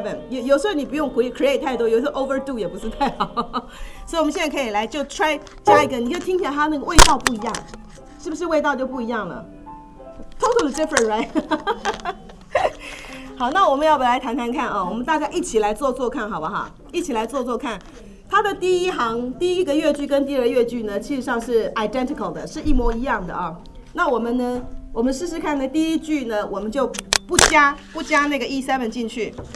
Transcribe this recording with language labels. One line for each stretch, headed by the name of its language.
Chinese: 有时候你不用 create 太多，有时候 overdo 也不是太好，所以我们现在可以来就 try 加一个，你就听起来它那个味道不一样，是不是味道就不一样了？
English: Totally different, right?
Chinese: 好，那我们要不要来谈谈看啊？我们大家一起来做做看好不好？一起来做做看，它的第一行第一个乐句跟第二乐句呢，其实上是 identical 的，是一模一样的啊。那我们呢，我们试试看呢，第一句呢，我们就不加那个 E7 进去。